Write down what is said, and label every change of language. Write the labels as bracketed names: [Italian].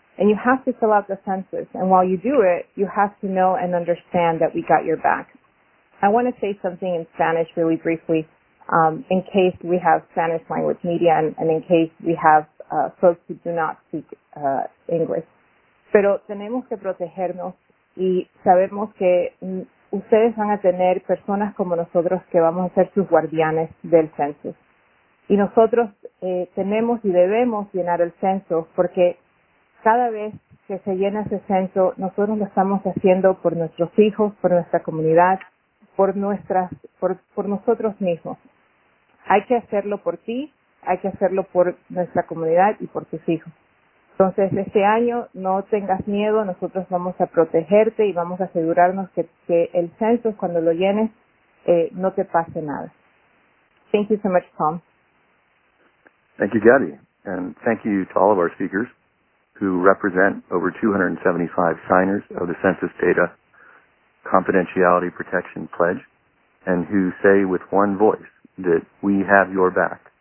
[English] And you have to fill out the census. And while you do it, you have to know and understand that we got your back. I want to say something in Spanish really briefly, in case we have Spanish language media and in case we have folks who do not speak English. [Spanish] Pero tenemos que protegernos y sabemos que ustedes van a tener personas como nosotros que vamos a ser sus guardianes del censo. Y nosotros tenemos y debemos llenar el censo porque cada vez que se llena ese censo, nosotros lo estamos haciendo por nuestros hijos, por nuestra comunidad, por nosotros mismos. Hay que hacerlo por ti, hay que hacerlo por nuestra comunidad y por tus hijos. Entonces, este año no tengas miedo, nosotros vamos a protegerte y vamos a asegurarnos que el censo, cuando lo llenes, no te pase nada. [English] Thank you so much, Tom. Thank you, Gabby. And thank you to all of our speakers who represent over 275 signers of the Census Data Confidentiality Protection Pledge and who say with one voice that we have your back.